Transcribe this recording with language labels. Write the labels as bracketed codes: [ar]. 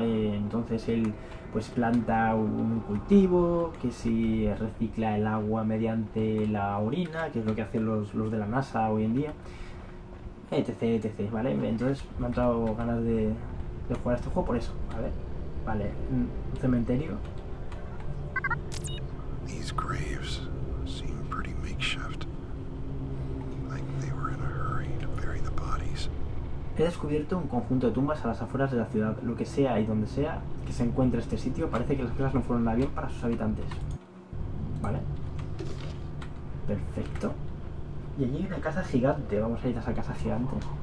[es] Entonces él pues planta un cultivo, que si recicla el agua mediante la orina, que es lo que hacen los de la NASA hoy en día, etc, etc, ¿vale? Entonces me han dado ganas de jugar a este juego por eso. A ver, vale, un cementerio. [en] These graves seem pretty makeshift. Like they were in a hurry to bury the bodies. [es] He descubierto un conjunto de tumbas a las afueras de la ciudad. Lo que sea y donde sea que se encuentre este sitio, parece que las cosas no fueron nada bien para sus habitantes. Vale. Perfecto. Y allí hay una casa gigante. Vamos a ir a esa casa gigante.